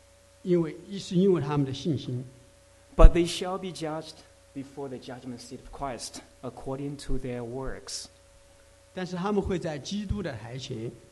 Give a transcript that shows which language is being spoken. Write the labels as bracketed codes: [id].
[zh] 信主的人他们不会在白色大宝座面前受审判，因为他们，因为是因为他们的信心。 [en] But they shall be judged before the judgment seat of Christ according to their works. [zh] 但是他们会在基督的海前